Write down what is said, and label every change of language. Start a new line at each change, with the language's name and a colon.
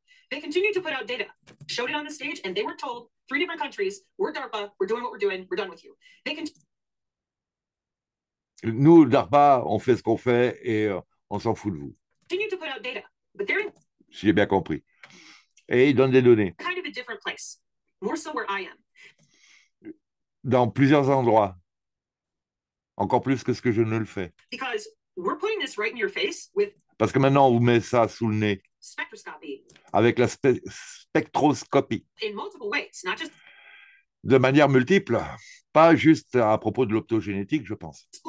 English: They continue to put out data, showed it on the stage, and they were told, 3 different countries, we're DARPA, we're doing what we're doing, we're done with you. They
French: Nous, DARPA, on fait ce qu'on fait et on s'en fout de vous.
English: Continue to put out data, but they're in...
French: Si j'ai bien compris. Et ils donnent des données.
English: Kind of a different place, more so where I am.
French: Dans plusieurs endroits. Encore plus que ce que je ne le fais.
English: Because we're putting this right in your face with...
French: Parce que maintenant, on vous met ça sous le nez. Avec la spectroscopie.
English: In multiple ways, not just...
French: De manière multiple, pas juste à propos de l'optogénétique, je pense.